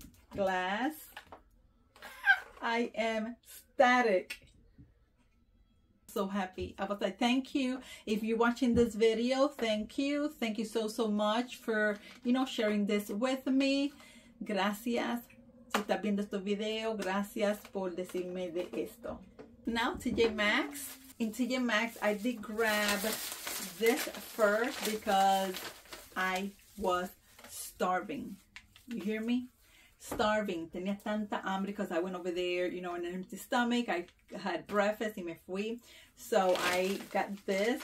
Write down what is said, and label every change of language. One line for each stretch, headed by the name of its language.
English: Glass. I am static. So happy. I was like, thank you. If you're watching this video, thank you. Thank you so much for, you know, sharing this with me.
Spanish: Gracias. Si estás viendo este video, gracias por decirme de esto.
English: Now TJ Maxx. In TJ Maxx, I did grab this first because I was starving. You hear me? starving.
Spanish: Tenía tanta hambre
English: because I went over there, you know, in an empty stomach. I had breakfast
Spanish: y me fui.
English: So I got this.